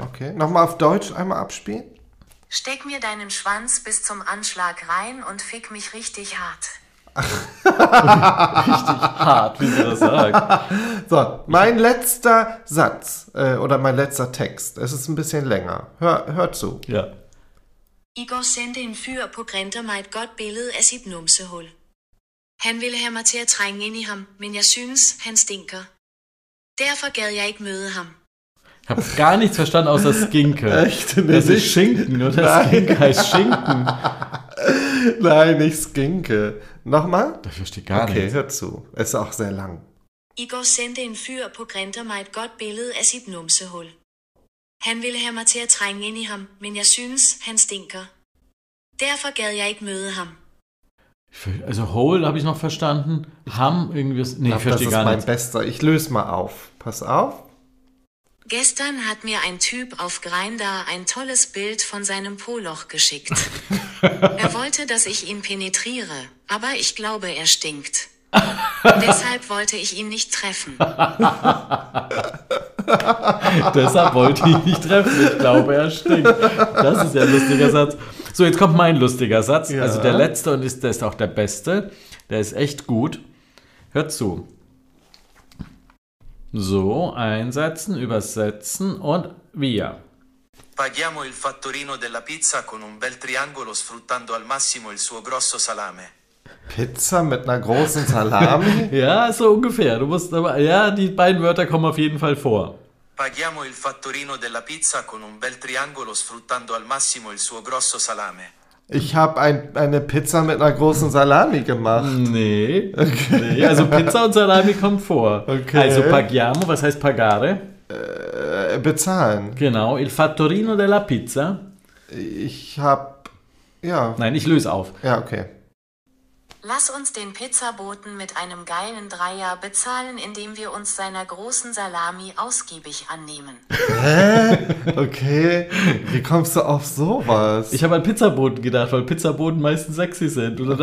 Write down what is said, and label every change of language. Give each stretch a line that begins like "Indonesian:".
German: Okay, nochmal auf Deutsch einmal abspielen. Steck mir deinen Schwanz bis zum Anschlag rein und fick mich richtig hart. Richtig hart, wie sie das sagt. So, mein letzter Satz oder mein letzter Text. Es ist ein bisschen länger. Hör zu. Ja.
Danish: Igor sendte en fyr på Grinter mig et godt billede af sit numsehul. Han ville have mig til at trænge ind i ham, men jeg synes, han stinker. Derfor gad jeg ikke møde ham. Jeg har
German: gar nichts verstanden außer Skinke. Echt? Das ist Schinken, oder? Skinke heißt Schinken. Nein, nicht Skinke. Nochmal? Das verstehe gar nicht. Okay, hör zu. Es ist auch sehr lang.
Danish: Igor sendte en fyr på Grinter mig et godt billede af sit numsehul. Han ville have mig til at trænge ind i ham, men jeg synes, han stinker. Derfor gad jeg ikke møde ham.
German: Also hole, habe ich noch verstanden. Ham, irgendwie... Nee, ich verstehe gar nicht. Das ist mein bester. Ich löse mal auf. Pass auf. Gestern hat mir ein Typ auf Grindr ein tolles Bild von seinem Poloch geschickt. Er wollte, dass ich ihn penetriere, aber ich glaube, er stinkt. Deshalb wollte ich ihn nicht treffen. Deshalb wollte ich ihn nicht treffen. Ich glaube, er stinkt. Das ist ja ein lustiger Satz. So, jetzt kommt mein lustiger Satz. Ja. Also der letzte und ist, der ist auch der beste. Der ist echt gut. Hört zu. So, einsetzen, übersetzen und via.
Italian: Paghiamo il fattorino della pizza con un bel triangolo sfruttando al massimo il suo grosso salame.
German: Pizza mit einer großen Salami? Ja, so ungefähr. Du musst aber, ja, die beiden Wörter kommen auf jeden Fall vor.
Italian: Paghiamo il fattorino della pizza con un bel triangolo sfruttando al massimo il suo grosso salame.
German: Ich habe eine Pizza mit einer großen Salami gemacht. Nee. Okay. Nee, also Pizza und Salami kommt vor. Okay. Also paghiamo, was heißt pagare? Bezahlen.
Italian: Genau, il fattorino della pizza.
German: Ich habe, ja. Nein, ich löse auf. Ja, okay. Lass uns den Pizzaboten mit einem geilen Dreier bezahlen, indem wir uns seiner großen Salami ausgiebig annehmen. Hä? Okay, wie kommst du auf sowas? Ich habe an Pizzaboten gedacht, weil Pizzaboten meistens sexy sind. Und dann okay.